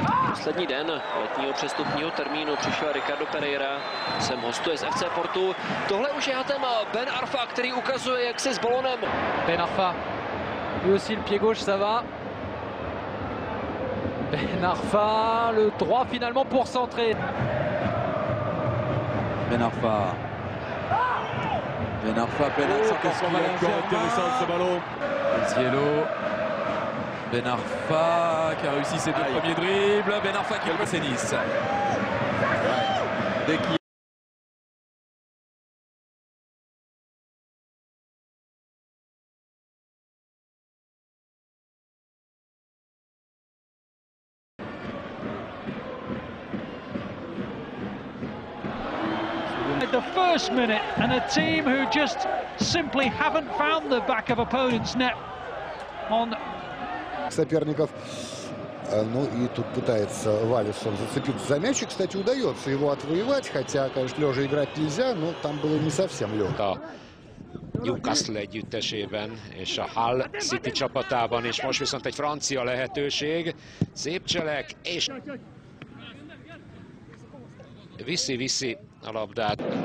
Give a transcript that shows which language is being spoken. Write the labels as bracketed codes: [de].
[cs] Poslední den letního přestupního termínu přišel Ricardo Pereira, sem hostuje z FC Portu. Tohle už je Hatem Ben Arfa, který ukazuje, jak se s balonem. [fr] Ben Arfa, lui aussi le pied gauche, ça va. Ben Arfa, le droit finalement pour centrer. Ben Arfa. Ben Arfa, Ben Arfa, Ben Arfa qui a réussi ses deux premiers dribbles. Ben Arfa qui passe Nice. Dès qu'il [en] the first minute, and a team who just simply haven't found the back of opponent's net on. [ru] Соперников. Ну и тут пытается Валисон зацепиться за мячик, кстати, удается его отвоевать, хотя, конечно, лежа играть нельзя, но там было не совсем легко. [hu] Newcastle együttesében és a Hull City csapatában, és most viszont egy francia lehetőség. Szép cselek, és viszi-viszi a labdát.